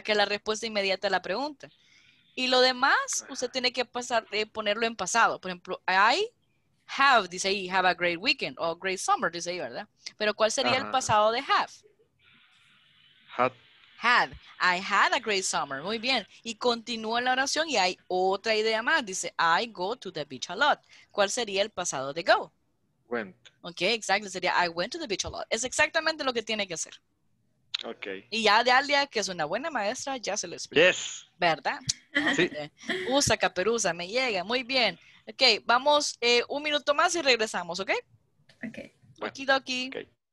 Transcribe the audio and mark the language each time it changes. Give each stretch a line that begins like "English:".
Spanish: Que es la respuesta inmediata a la pregunta. Y lo demás, usted tiene que pasar de ponerlo en pasado. Por ejemplo, I have, dice ahí,
English: have a great weekend,
Spanish: o
English: great summer,
Spanish: dice ahí, ¿verdad? Pero ¿cuál sería, ajá, el pasado de have?
English: Had. I had a great summer.
Spanish: Muy bien. Y continúa la oración y hay otra idea más. Dice,
English: I go to the beach a lot.
Spanish: ¿Cuál sería el pasado de go?
English: Went.
Spanish: Ok, exacto. Sería,
English: I went to the beach a lot.
Spanish: Es exactamente lo que tiene que hacer. Ok. Y ya de Alia, que es una buena maestra, ya se lo explico.
English: Yes.
Spanish: ¿Verdad? Sí. Usa caperuza, me llega. Muy bien. Ok, vamos un minuto más y regresamos, ¿ok? Ok. Okidoki. Ok.